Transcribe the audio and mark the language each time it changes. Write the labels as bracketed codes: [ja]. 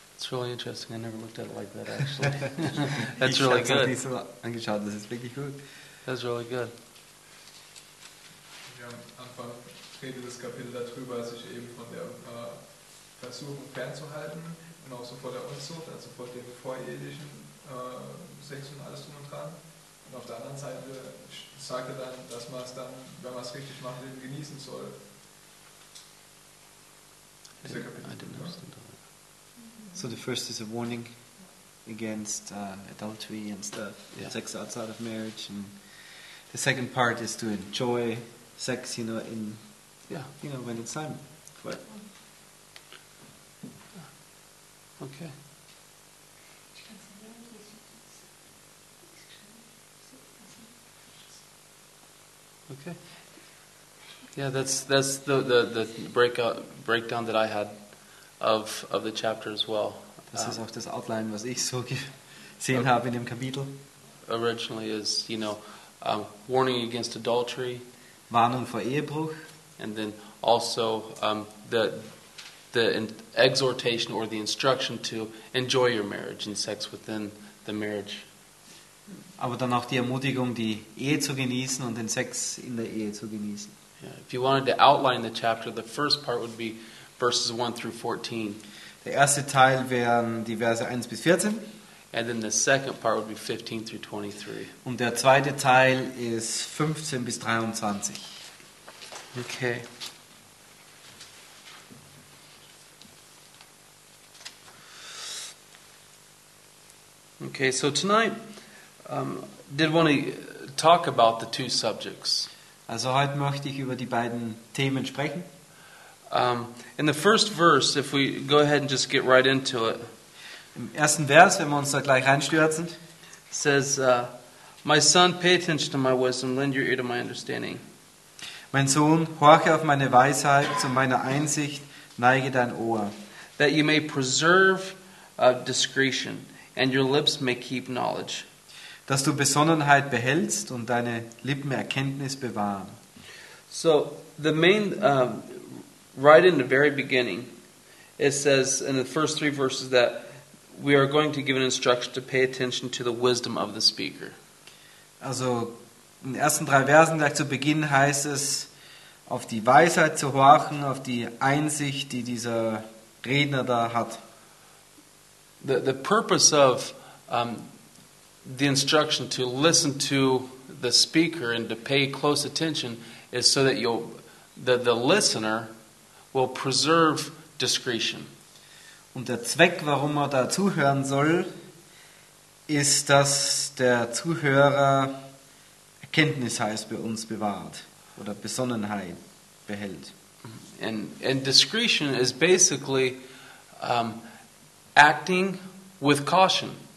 [en] Really interesting. I never looked at it like that actually. That's really good. [de] Ich habe es nicht so angeschaut. Das ist wirklich gut. [en] That's really good. [de] Ja, am Anfang redet das Kapitel darüber, sich eben von der Versuchung fernzuhalten und auch so vor der Unzucht, also vor dem vorehelichen Sex und alles drum und dran. Und auf der anderen Seite sagt er dann, dass man es dann, wenn man es richtig macht, eben genießen soll. Dieser Kapitel. [en] I didn't understand. So the first is a warning against adultery and stuff, yeah. Sex outside of marriage, and the second part is to enjoy sex, you know, in yeah, you know, when it's time for it. Okay. Okay. Yeah, that's the breakdown that I had. Of the chapter as well. [de] Das ist auch das Outline, was ich so gesehen habe in dem Kapitel. [en] Originally is, you know, warning against adultery. [de] Warnung vor Ehebruch. [en] And then also the exhortation or the instruction to enjoy your marriage and sex within the marriage. [de] Aber dann auch die Ermutigung, die Ehe zu genießen und den Sex in der Ehe zu genießen. [en] Yeah. If you wanted to outline the chapter, the first part would be verses 1 through 14. [de] Der erste Teil wären die Verse 1 bis 14. [en] And then the second part would be 15 through 23. [de] Und der zweite Teil ist 15 bis 23. [en] Okay. Okay, so tonight did want to talk about the two subjects. [de] Also heute möchte ich über die beiden Themen sprechen. [en] In the first verse, if we go ahead and just get right into it. [de] Im ersten Vers, wenn wir uns da gleich reinstürzen. [en] Says, my son, pay attention to my wisdom, lend your ear to my understanding. [de] Mein Sohn, horche auf meine Weisheit, zu meiner Einsicht, neige dein Ohr. [en] That you may preserve discretion, and your lips may keep knowledge. [de] Dass du Besonnenheit behältst und deine Lippen Erkenntnis bewahren. [en] So, the main... right in the very beginning, it says in the first three verses that we are going to give an instruction to pay attention to the wisdom of the speaker. [de] Also, in den ersten drei Versen gleich zu Beginn heißt es, auf die Weisheit zu horchen, auf die Einsicht, die dieser Redner da hat. [en] The purpose of the instruction to listen to the speaker and to pay close attention is so that you'll that the listener will preserve discretion. [de] Und der Zweck, warum er da zuhören soll, ist, dass der Zuhörer Erkenntnis heißt bei uns bewahrt oder Besonnenheit behält. [en] And discretion is basically acting with caution.